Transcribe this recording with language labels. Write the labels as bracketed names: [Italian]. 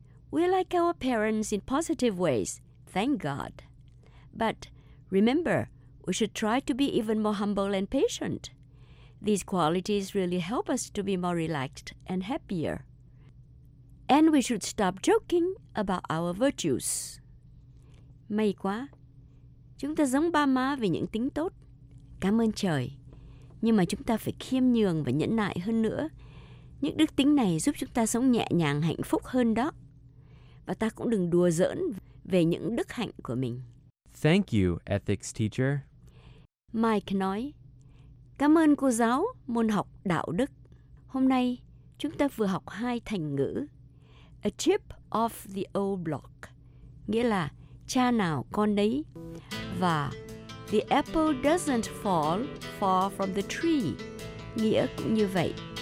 [English] We like our parents in positive ways, thank God. But remember, we should try to be even more humble and patient. These qualities really help us to be more relaxed and happier. And we should stop joking about our virtues. [Vietnamese] May quá! Chúng ta giống ba má về những tính tốt. Cảm ơn trời! Nhưng mà chúng ta phải khiêm nhường và nhẫn nại hơn nữa. Những đức tính này giúp chúng ta sống nhẹ nhàng, hạnh phúc hơn đó. Và ta cũng đừng đùa giỡn về những đức hạnh của mình. [English] Thank you, ethics teacher. [Vietnamese] Mike nói, cảm ơn cô giáo môn học đạo đức. Hôm nay, chúng ta vừa học hai thành ngữ. [English] A chip off the old block, [Vietnamese] nghĩa là cha nào con đấy. Và [English] the apple doesn't fall far from the tree, [Vietnamese] nghĩa cũng như vậy.